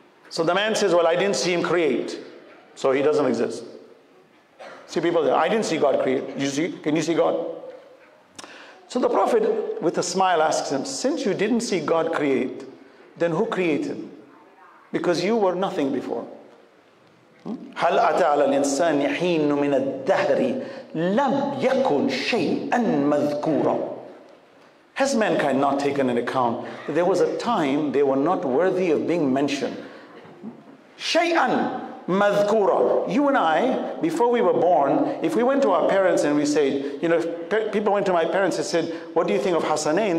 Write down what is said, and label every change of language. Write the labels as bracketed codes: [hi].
[en] So the man says, well, I didn't see him create, so he doesn't exist. See, people say, I didn't see God create. You see? Can you see God? So the Prophet, with a smile, asks him, since you didn't see God create, then who created? Because you were nothing before. [ar] هل أتى على الإنسان حين من الدهر لم يكن شيئا مذكورا. [en] Has mankind not taken into account that there was a time they were not worthy of being mentioned? [ar] شيئاً مذكورا. [en] You and I, before we were born, if we went to our parents and we said, you know, if people went to my parents and said, what do you think of Hasanain?